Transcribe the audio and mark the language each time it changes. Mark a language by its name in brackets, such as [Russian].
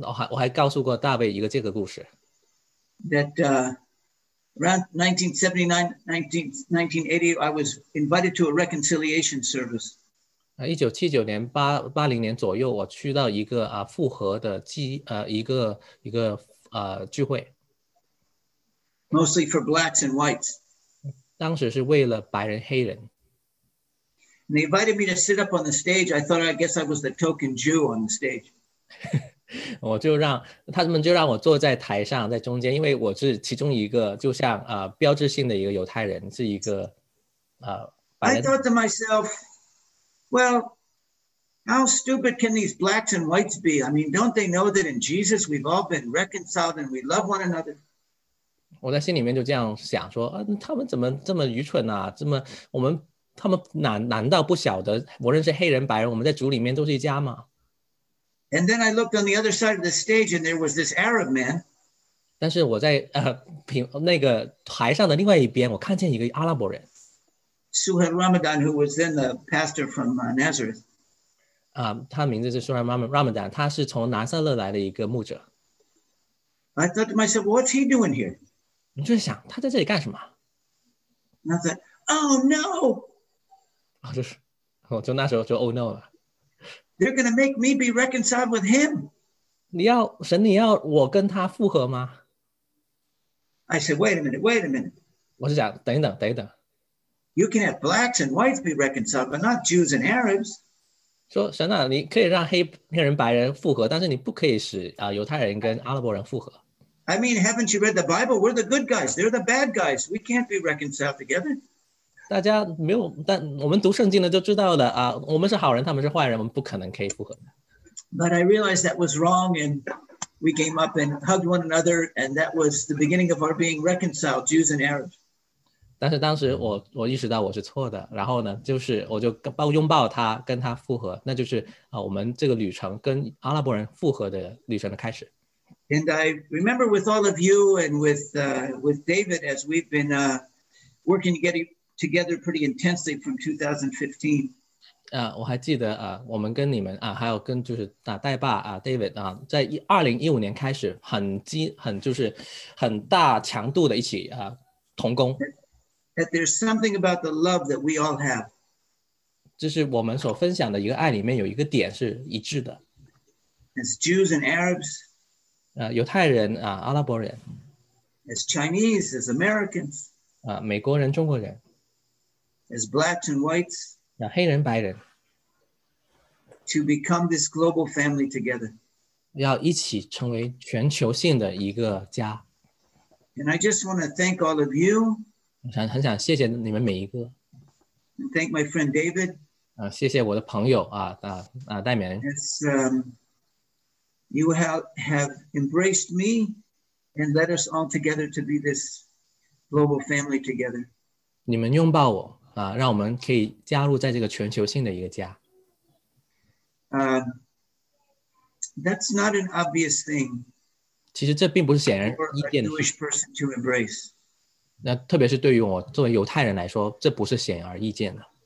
[Chinese] 我还告诉过大卫一个这个故事。 [English] That around 1979, 1980, I was invited to a reconciliation service. [Chinese] 1979年80年左右，我去到一个复合的一个聚会。 [English] Mostly for blacks and whites. [Chinese] 当时是为了白人黑人。 [English] And they invited me to sit up on the stage. I thought, I guess I was the token Jew on the stage. [Chinese] 我就让他们就让我坐在台上在中间，因为我是其中一个就像标志性的一个犹太人，是一个 [English] I thought to myself, well, how stupid can these blacks and whites be? I mean, don't they know that in Jesus we've all been reconciled and we love one another? [Chinese] 我在心里面就这样想说，他们怎么这么愚蠢啊？这么我们他们难道不晓得，无论是黑人白人，我们在主里面都是一家吗？ [English] And then I looked on the other side of the stage, and there was this Arab man. [Chinese] 但是我在那个台上的另外一边，我看见一个阿拉伯人。 [English] Suhail Ramadan, who was then the pastor from Nazareth. [Chinese] 他名字是 Suhail Ramadan, 他是从拿撒勒来的一个牧者。 [English] I thought to myself, what's he doing here? [Chinese] 你就想他在这里干什么？ [English] And I thought, oh no! [Chinese] 我就那时候就 [English] oh no [Chinese] 了。 [English] They're going to make me be reconciled with him. [Chinese] 神你要我跟他复合吗？ [English] I said, wait a minute. [Chinese] 我就想等一等。 [English] You can have blacks and whites be reconciled, but not Jews and Arabs. [Chinese] 说神啊，你可以让黑人、白人复合，但是你不可以使犹太人跟阿拉伯人复合。 [English] I mean, haven't you read the Bible? We're the good guys; they're the bad guys. We can't be reconciled together. [Chinese] 大家没有，但我们读圣经的就知道了我们是好人，他们是坏人，我们不可能可以复合。 [English] But I realized that was wrong, and we came up and hugged one another, and that was the beginning of our being reconciled, Jews and Arabs. [Chinese] 但是当时我意识到我是错的，然后呢，就是我就拥抱他，跟他复合，那就是我们这个旅程跟阿拉伯人复合的旅程的开始。 [English] And I remember with all of you and with David as we've been working together pretty intensely from 2015. [Chinese] 我还记得我们跟你们还有跟就是代爸David 在2015年开始很大强度的一起同工。 [English] That there's something about the love that we all have. [Chinese] 这是我们所分享的一个爱里面有一个点是一致的。 [English] As Jews and Arabs. [Chinese] 犹太人阿拉伯人。 [English] As Chinese, as Americans. [Chinese] 美国人中国人。 [English] As blacks and whites. [Chinese] 黑人白人。 [English] To become this global family together. [Chinese] 要一起成为全球性的一个家。 [English] And I just want to thank all of you. [Chinese] 很想谢谢你们每一个。 [English] Thank my friend David. [Chinese] 谢谢我的朋友戴冕。 [English] Yes, you have embraced me and led us all together to be this global family together. [Chinese] 你们拥抱我让我们可以加入在这个全球性的一个家。 [English] That's not an obvious thing. [Chinese] 其实这并不是显而易见的。 [English] For a Jewish person to embrace. [Chinese] 那特别是对于我作为犹太人来说，这不是显而易见的。